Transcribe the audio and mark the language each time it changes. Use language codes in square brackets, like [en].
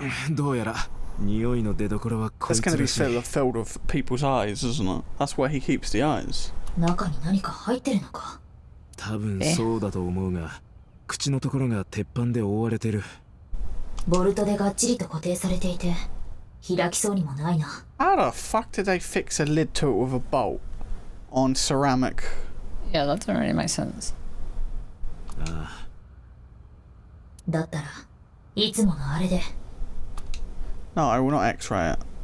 [ja] どうやら匂いの出どころはこいつらしい。 [en] That's gonna be filled with people's eyes, isn't it? That's where he keeps the eyes. [ja] 中に何か入ってるのか？多分そうだと思うが、口のところが鉄板で覆われてる。ボルトでがっちりと固定されていて、開きそうにもないな。 [en] How the fuck did they fix a lid to it with a bolt? On ceramic. Yeah, that doesn't really make sense. [ja] That たらいつものあれで。 [en] No, I will not X-ray it.